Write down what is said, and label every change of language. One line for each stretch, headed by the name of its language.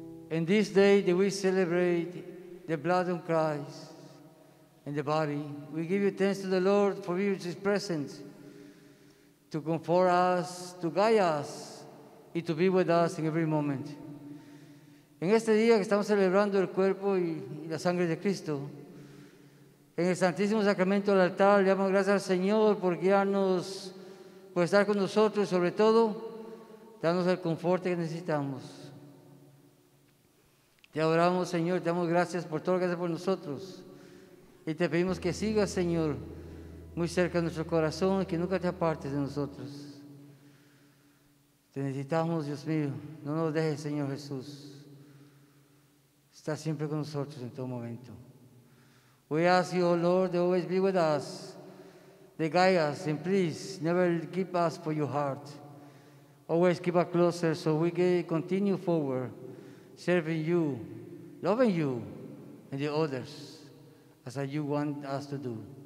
English: In this day that we celebrate the blood of Christ and the body, we give you thanks to the Lord for his presence, to comfort us, to guide us, and to be with us in every moment.
Spanish: En este día que estamos celebrando el cuerpo y la sangre de Cristo, en el Santísimo Sacramento del altar, le damos gracias al Señor por guiarnos, por estar con nosotros y sobre todo, darnos el confort que necesitamos. Te adoramos, Señor, te damos gracias por todo lo que haces por nosotros y te pedimos que sigas, Señor, muy cerca de nuestro corazón y que nunca te apartes de nosotros. Te necesitamos, Dios mío, no nos dejes, Señor Jesús. Está siempre con nosotros en todo momento.
English: We ask you, O Lord, to always be with us, to guide us, and please never keep us from your heart. Always keep us closer so we can continue forward, serving you, loving you, and the others, as you want us to do.